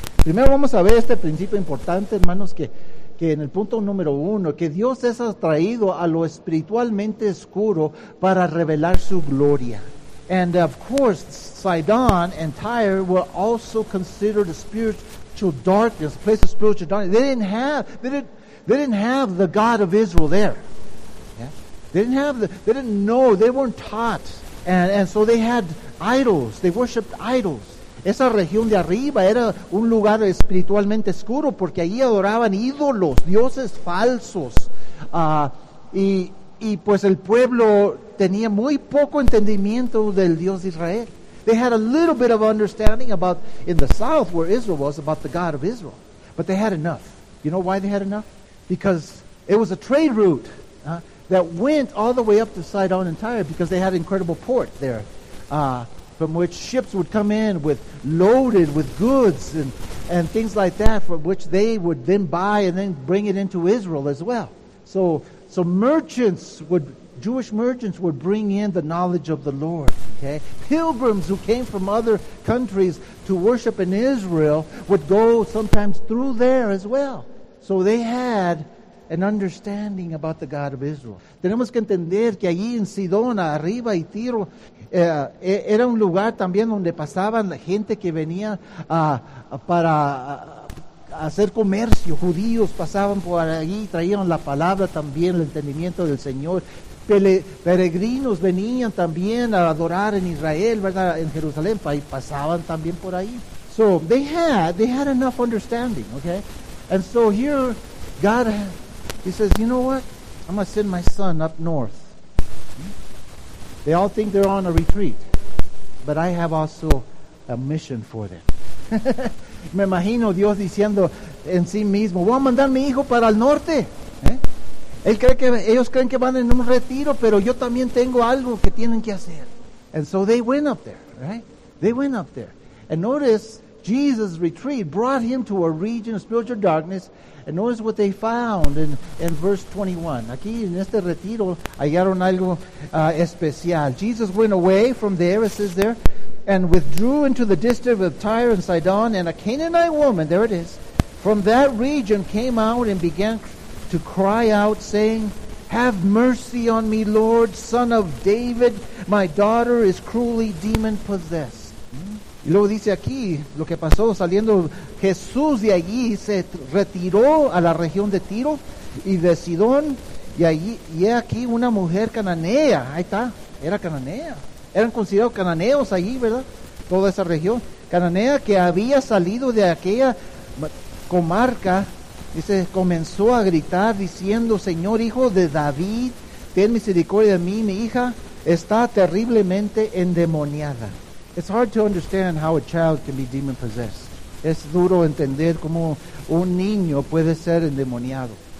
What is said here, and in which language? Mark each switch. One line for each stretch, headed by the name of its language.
Spanish: Primero vamos a ver este principio importante, hermanos, que en el punto número uno, que Dios es atraído a lo espiritualmente oscuro para revelar su gloria.
English: And of course, Sidon and Tyre were also considered a spiritual darkness, a place of spiritual darkness. They didn't have the God of Israel there. They didn't have they didn't know, they weren't taught. And so they had idols, they worshiped idols.
Spanish: Esa región de arriba era un lugar espiritualmente oscuro porque allí adoraban ídolos, dioses falsos. Y pues el pueblo tenía muy poco entendimiento del Dios de Israel.
English: They had a little bit of understanding about, in the south where Israel was, about the God of Israel. But they had enough. You know why they had enough? Because it was a trade route that went all the way up to Sidon and Tyre, because they had an incredible port there from which ships would come in with loaded with goods and things like that, from which they would then buy and then bring it into Israel as well. So merchants would, Jewish merchants would bring in the knowledge of the Lord. Okay, pilgrims who came from other countries to worship in Israel would go sometimes through there as well. So they had an understanding about the God of Israel.
Spanish: Tenemos que entender que allí en Sidón, arriba y Tiro, era un lugar también donde pasaban la gente que venía para hacer comercio. Judíos pasaban por allí y traían la palabra también, el entendimiento del Señor. Peregrinos venían también a adorar en Israel, ¿verdad? En Jerusalén, y pasaban también por ahí.
English: So they had enough understanding, okay? And so here, God, he says, you know what? I'm going to send my son up north. They all think they're on a retreat, but I have also a mission for them.
Spanish: Me imagino Dios diciendo en sí mismo, voy a mandar mi hijo para el norte. Él cree que, ellos creen que van en un retiro, pero yo también tengo algo que tienen que hacer.
English: And so they went up there, right? They went up there. And notice, Jesus' retreat brought him to a region of spiritual darkness. And notice what they found in verse 21.
Spanish: Aquí en este retiro hallaron algo especial.
English: Jesus went away from there, it says there, and withdrew into the district of Tyre and Sidon. And a Canaanite woman, there it is, from that region came out and began to cry out, saying, "Have mercy on me, Lord, Son of David. My daughter is cruelly demon-possessed."
Spanish: Y luego dice aquí lo que pasó saliendo Jesús de allí. Se retiró a la región de Tiro y de Sidón. Y allí, y aquí una mujer cananea. Ahí está. Era cananea. Eran considerados cananeos allí, ¿verdad? Toda esa región. Cananea que había salido de aquella comarca. Dice, comenzó a gritar diciendo, Señor, hijo de David, ten misericordia de mí, mi hija está terriblemente endemoniada.
English: It's hard to understand how a child can be demon possessed.
Spanish: Es duro entender cómo un niño puede ser endemoniado.